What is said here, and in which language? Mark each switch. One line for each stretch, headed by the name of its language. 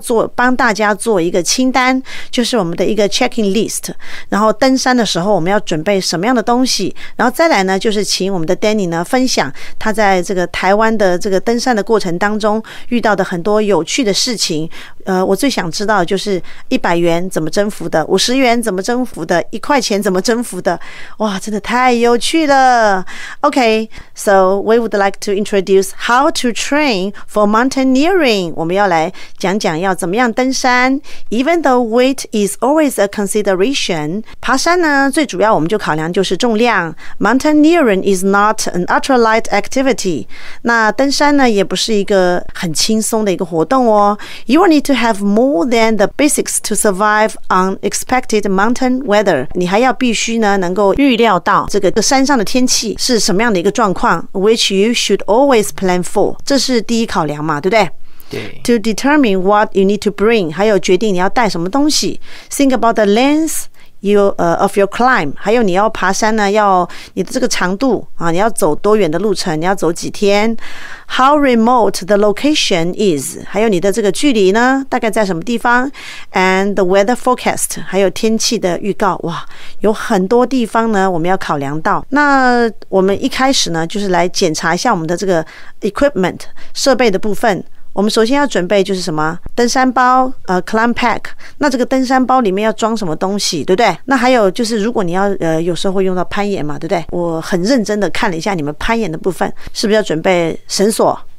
Chinese: 做帮大家做一个清单，就是我们的一个 checking list， 然后登山的时候我们要准备什么样的东西，然后再来呢就是请我们的 Danny 呢分享他在这个台湾的这个登山的过程当中遇到的很多有趣的事情。我最想知道的就是100元怎么征服的，50元怎么征服的，1块钱怎么征服的，哇真的太有趣了。
English: OK， so we would like to introduce how to train for mountaineering，
Chinese: 我们要来讲讲要怎么样登山。
English: Even though weight is always a consideration，
Chinese: 爬山呢最主要我们就考量就是重量。
English: Mountaineering is not an ultralight activity，
Chinese: 那登山呢也不是一个很轻松的一个活动哦。
English: You will need to have more than the basics to survive unexpected mountain weather，
Chinese: 你还要必须呢能够预料到这个山上的天气是什么样的一个状况，
English: which you should always plan for，
Chinese: 这是第一考量嘛，对不对？对。
English: To determine what you need to bring，
Chinese: 还有决定你要带什么东西。
English: Think about the length you, of your climb，
Chinese: 还有你要爬山呢要你的这个长度啊，你要走多远的路程，你要走几天。
English: How remote the location is，
Chinese: 还有你的这个距离呢大概在什么地方。
English: And the weather forecast，
Chinese: 还有天气的预告。哇，有很多地方呢我们要考量到。那我们一开始呢就是来检查一下我们的这个 equipment 设备的部分。我们首先要准备就是什么登山包，climb pack， 那这个登山包里面要装什么东西，对不对？那还有就是如果你要有时候会用到攀岩嘛，对不对？我很认真的看了一下你们攀岩的部分，是不是要准备绳索，